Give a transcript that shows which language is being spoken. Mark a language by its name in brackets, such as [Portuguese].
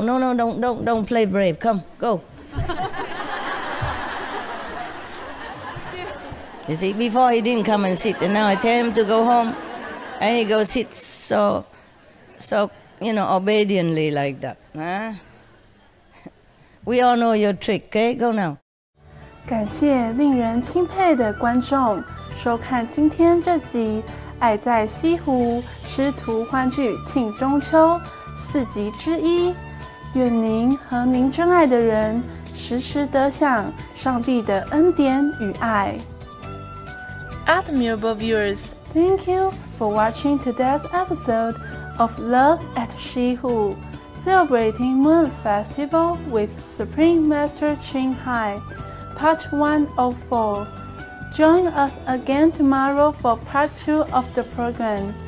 [English] No, no, don't play brave. Come, go. You see, before he didn't come and sit, and now I tell him to go home, and he goes sit so, you know, obediently like that. Huh? We all know your trick, okay? Go now. [Chinese] 感谢令人钦佩的观众收看今天这集《爱在西湖师徒欢聚庆中秋》四集之一。愿您和您真爱的人时时得享上帝的恩典与爱。 [English] Admirable viewers, thank you for watching today's episode of Love at Shihu, celebrating Moon Festival with Supreme Master Ching Hai, Part 104. Join us again tomorrow for Part 2 of the program.